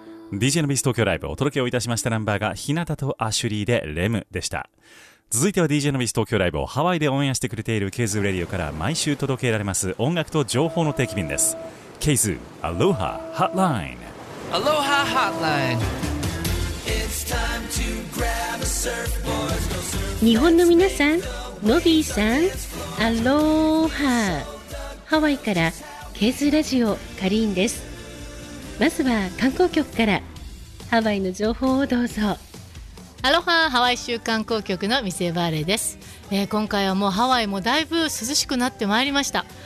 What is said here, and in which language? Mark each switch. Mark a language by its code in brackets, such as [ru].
[ja] DJ のビス東京ライブ、お届けをいたしましたナンバーが日向とアシュリーでレムでした。続いては DJ のビス東京ライブをハワイで応援してくれているケイズーレディオから毎週届けられます音楽と情報の定期便です。ケイズーアロハハットライン。アロハハットライン。 [en] It's time to grab a surf boys. [ja] 日本の皆さん、ノビーさん、アロハ。ハワイからケイズーラジオカリーンです。まずは観光局からハワイの情報をどうぞ。アロハ、ハワイ州観光局のミセバーレです。今回はもうハワイもだいぶ涼しくなってまいりました。